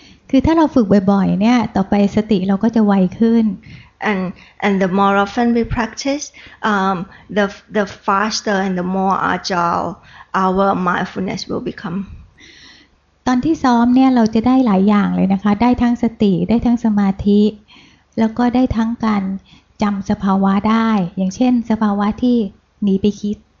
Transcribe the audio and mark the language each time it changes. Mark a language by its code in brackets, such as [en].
[th] คือถ้าเราฝึกบ่อยๆเนี่ยต่อไปสติเราก็จะไวขึ้น [en] And the more often we practice, the faster and the more agile our mindfulness will become. [th] ตอนที่ซ้อมเนี่ยเราจะได้หลายอย่างเลยนะคะได้ทั้งสติได้ทั้งสมาธิแล้วก็ได้ทั้งการจำสภาวะได้อย่างเช่นสภาวะที่หนีไปคิด